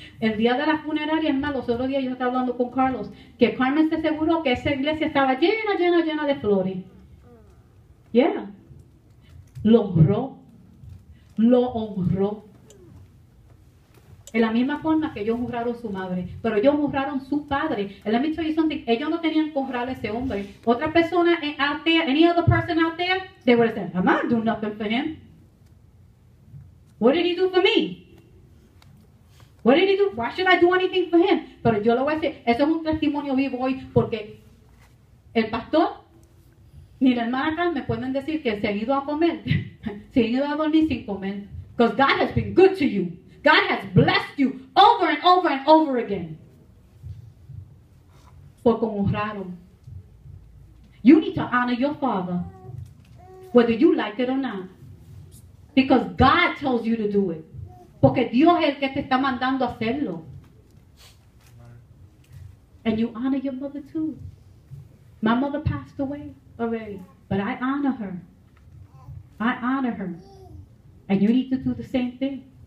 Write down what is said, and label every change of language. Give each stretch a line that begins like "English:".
Spanish: El día de la funeraria, es más, los otros días yo estaba hablando con Carlos, que Carmen se aseguró que esa iglesia estaba llena, llena, llena de flores. Yeah. Lo honró. Lo honró. En la misma forma que ellos honraron su madre, pero ellos honraron su padre.
English: Let me tell you something.
Spanish: Ellos no tenían que honrar a ese hombre. Otra persona
English: out there, any other person out there, they would have said, I'm not doing nothing for him. What did he do for me? What did he do? Why should I do anything for him?
Spanish: Pero yo lo voy a decir, eso es un testimonio vivo hoy, porque el pastor ni la hermana acá me pueden decir que se han ido a comer, se han ido a dormir sin comer.
English: Because God has been good to you. God has blessed you over and over and over again.
Spanish: Porque honraron.
English: You need to honor your father, whether you like it or not. Because God tells you to do it.
Spanish: Porque Dios es el que te está mandando a hacerlo.
English: And you honor your mother too. My mother passed away already. But I honor her. I honor her. And you need to do the same thing.